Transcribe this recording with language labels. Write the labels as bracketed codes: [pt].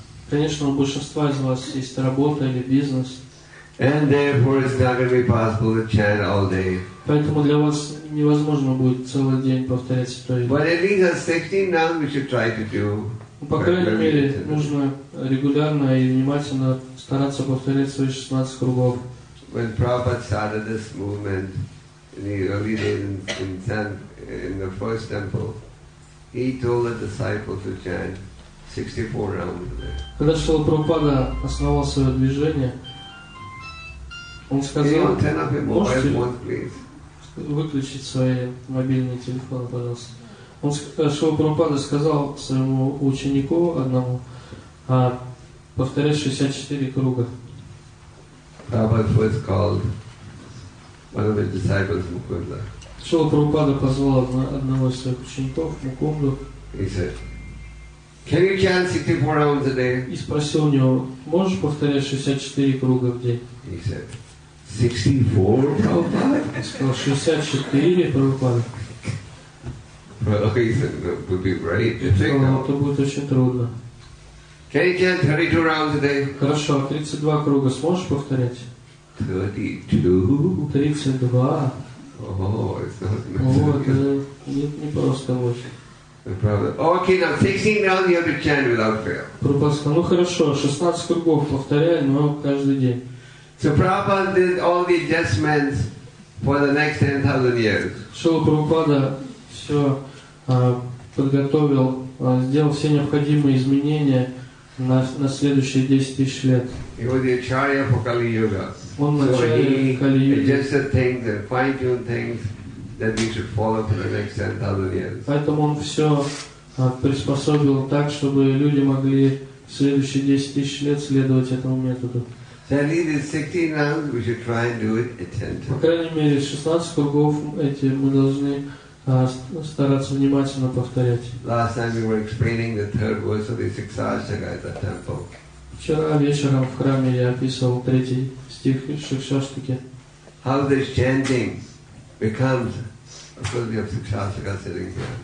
[ru] Конечно, у большинства из вас есть работа или бизнес. [en] And therefore, it's not going to be possible to chant all day. [ru] Поэтому для вас невозможно будет целый день повторять Святое Имя. [en] But at least a 16 rounds we should try to do. [ru] По крайней мере, нужно регулярно и внимательно стараться повторять свои 16 кругов. [en] When Prabhupada started this movement in the early days in the first temple, he told the disciples to chant 64 rounds a day. [ru] Когда Шрила Прабхупада основал свое движение, он сказал, можете выключить свои мобильные телефоны, пожалуйста. Он Шрила Прабхупада сказал своему ученику одному повторять 64 круга. [en] Prabhupada first called one of his disciples Mukunda. [ru] Шрила Прабхупада позвал одного из своих учеников, Мукунду. [en] He said, can you chant 64 rounds a day? [ru] И спросил у него, можешь повторять 64 круга в день? [en] He said, 64, Prabhupada? [ru] Он сказал, 64, Прабхупада. [en] Okay, he said, it would be very difficult. [ru] Это будет очень трудно. [en] Can you chant 32 rounds a day? [ru] Хорошо, 32 круга сможешь повторять? 32? 32. [en] Oh, it's not easy. [ru] Oh, это не просто. [en] Okay, now 16 rounds you have to chant without fail. [ru] Прабхупада, ну хорошо, 16 кругов повторяй, но каждый день. [en] So Prabhupada did all the adjustments for the next 10,000 years. [ru] Шрила Прабхупада все подготовил, сделал все необходимые изменения на следующие 10 тысяч лет. [en] He was the Acharya for Kali Yuga. [ru] Он начал [en] just the things, the fine-tuned things that we should follow for the next 10,000 years. [ru] Поэтому он все приспособил так, чтобы люди могли следующие 10 тысяч лет следовать этому методу. [en] So at least in 16 rounds, we should try and do it attentively. [ru] По крайней мере, 16 кругов эти мы должны стараться внимательно повторять. [en] Last time we were explaining the third verse of the Shikshashtaka at the temple. [ru] Вчера вечером в храме я описывал третий стих из Шикшаштаки. [en] How this chanting becomes a part of Shikshashtaka sitting here.